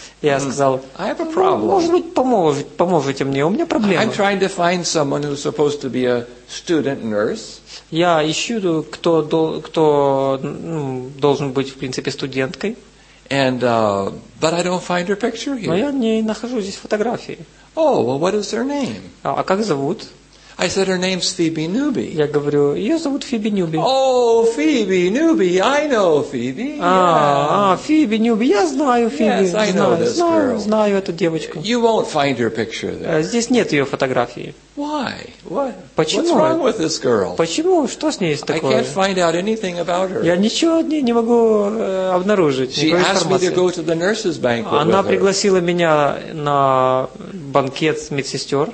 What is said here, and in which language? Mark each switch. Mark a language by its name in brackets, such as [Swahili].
[Russian] Я сказал, [English] I have a problem. [Russian] Может быть, поможете мне, у меня проблема. [English] I'm trying to find someone who's supposed to be a student nurse. [Russian] Я ищу, кто должен быть, в принципе, студенткой. [English] And, but I don't find her picture here. [Russian] Но я не нахожу здесь фотографии. [English] Oh, well, what is her name? [Russian] А как зовут? [English] I said her name's Phoebe Newby. [Russian] Я говорю, ее зовут Phoebe Newby. [English] Oh, Phoebe Newby, I know Phoebe. [Russian] Phoebe Newby, я знаю Phoebe. [English] Yes, I know this girl. [Russian] Знаю эту девочку. [English] You won't find her picture there. [Russian] Здесь нет ее фотографии. [English] Why? What? [Russian] Почему? [English] What's wrong with this girl? [Russian] Почему? Что с ней такое? [English] I can't find out anything about her. [Russian] Я ничего не могу обнаружить. [English] She asked me to go to the nurses' banquet with her. [Russian] Она пригласила меня на банкет медсестер.